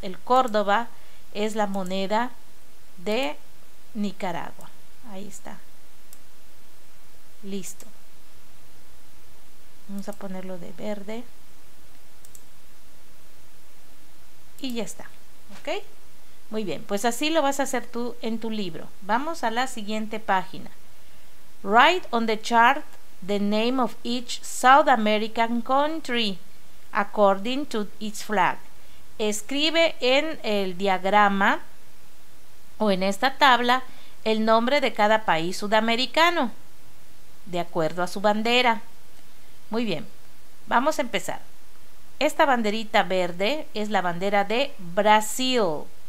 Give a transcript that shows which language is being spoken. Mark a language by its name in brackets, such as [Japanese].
[Spanish] El Córdoba es la moneda de Nicaragua. Ahí está. Listo. Vamos a ponerlo de verde. Y ya está. ¿Ok? Muy bien, pues así lo vas a hacer tú en tu libro. Vamos a la siguiente página. [English] Write on the chart the name of each South American country according to its flag. [Spanish] Escribe en el diagrama o en esta tabla el nombre de cada país sudamericano de acuerdo a su bandera. Muy bien, vamos a empezar. Esta banderita verde es la bandera de Brasil.